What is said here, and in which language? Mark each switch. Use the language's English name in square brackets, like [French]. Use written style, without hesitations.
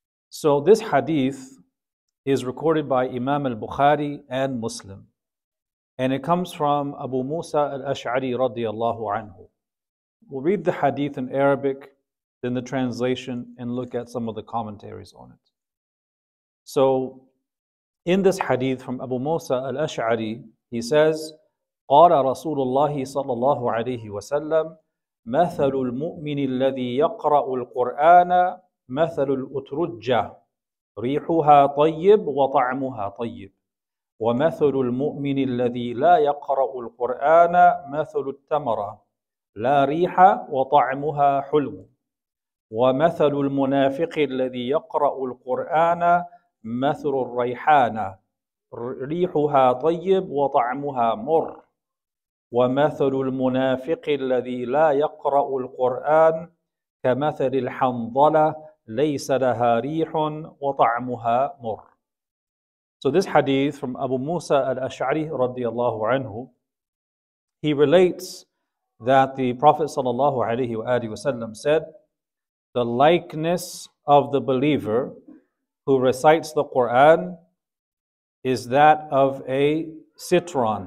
[English] So this hadith is recorded by Imam al-Bukhari and Muslim. And it comes from Abu Musa al-Ash'ari radiallahu anhu. We'll read the hadith in Arabic, then the translation, and look at some of the commentaries on it. So in this hadith from Abu Musa al-Ash'ari, he says, [Arabic] قَالَ رَسُولُ اللَّهِ صَلَّى اللَّهُ عَلَيْهِ وَسَلَّمْ مَثَلُ الْمُؤْمِنِ الَّذِي يَقْرَأُ الْقُرْآنَ مَثَلُ الْأُتْرُجَّةِ رِيحُهَا طَيِّبْ وَطَعْمُهَا طَيِّبْ وَمَثَلُ الْمُؤْمِنِ الَّذِي لَا يَقْرَأُ الْقُرْآنَ مَثَلُ التَّمَرَةِ لَا رِيحَ وَطَعْمُهَا حُلْوٌ وَمَثَلُ الْمُنَافِقِ الَّذِي يَقْرَأُ الْقُرْآنَ مَثَلُ الرَّيْحَانَةِ رِيحُهَا طَيِّبْ وَطَعْمُهَا مُرٌّ وَمَثَلُ الْمُنَافِقِ الَّذِي لَا يَقْرَأُ الْقُرْآنَ كَمَثَلِ الْحَنْظَلَةِ لَيْسَ لَهَا رِيحٌ وَطَعْمُهَا مُرٌّ. [English] So this hadith from Abu Musa al-Ash'ari radiallahu anhu, he relates that the Prophet sallallahu alayhi wa alihi wasallam said, the likeness of the believer who recites the Qur'an is that of a citron.